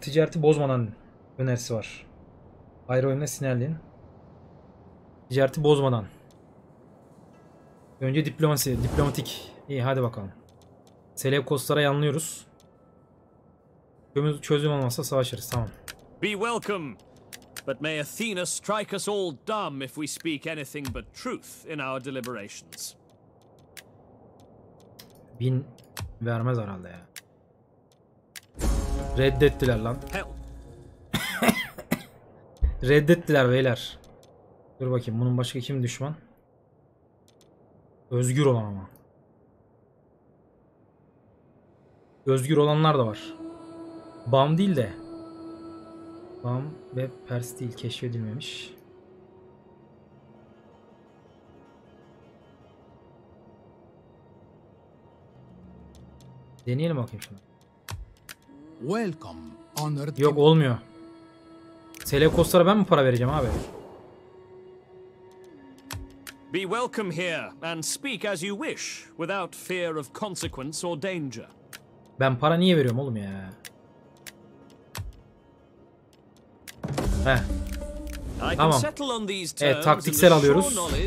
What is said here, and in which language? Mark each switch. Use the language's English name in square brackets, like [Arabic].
[Turkish] Ticareti bozmadan önerisi var. Ayrı oyunda sinerliyin. Ticareti bozmadan. Önce diplomasi, diplomatik. İyi hadi bakalım. Selevkoslara yanlıyoruz. Çözüm olmazsa savaşırız. Tamam. [English] Be welcome. But may Athena strike us all dumb if we speak anything but truth in our deliberations. [Turkish] 1000 vermez herhalde ya. Reddettiler lan. [English] Help. [Turkish] Reddettiler beyler. Dur bakayım, bunun başka kim düşman? Özgür olan ama. Özgür olanlar da var. Bam değil de. Bam ve Pers değil, keşfedilmemiş. Deneyelim bakayım şunu. [English] Welcome, honored. [Turkish] Yok, olmuyor. Selekoslara ben mi para vereceğim abi? [English] Be welcome here and speak as you wish without fear of consequence or danger. [Turkish] Ben para niye veriyorum oğlum ya? Tamam. [English] Settle on these terms. [Turkish] Evet, taktiksel alıyoruz.